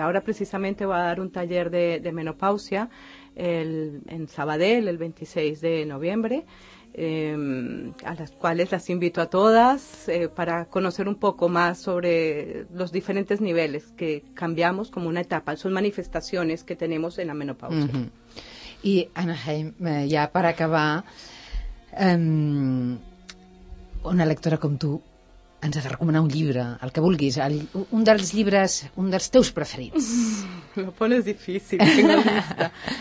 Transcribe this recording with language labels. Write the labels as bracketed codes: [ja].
[es] Ahora precisamente voy a dar un taller de menopausia, en Sabadell, el 26 de noviembre, a las cuales las invito a todas para conocer un poco más sobre los diferentes niveles que cambiamos como una etapa. Son manifestaciones que tenemos en la menopausia. Mm-hmm. [ca] Y, Anna Hem, [es] ya para acabar, [ca] una lectora com tu ens ha de recomanar un llibre, el que vulguis, un dels llibres, un dels teus preferits. [es] Lo pones difícil, tengo la lista.